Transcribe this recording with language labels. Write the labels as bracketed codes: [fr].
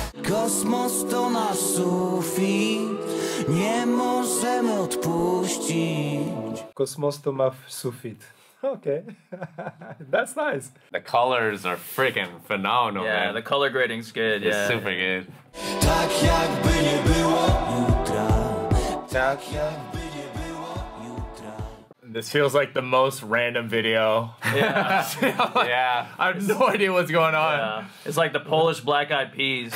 [pl] Kosmos to nasz sufit, nie możemy odpuścić. Kosmos to ma sufit. [en] Okay, that's nice. The colors are freaking phenomenal, yeah, man. Yeah, the color grading's good, it's yeah. It's super good. [pl] Tak jakby nie było jutra. Tak jakby nie było jutra. [en] This feels like the most random video. Yeah. Yeah. I have no idea what's going on. Yeah. It's like the Polish Black Eyed Peas.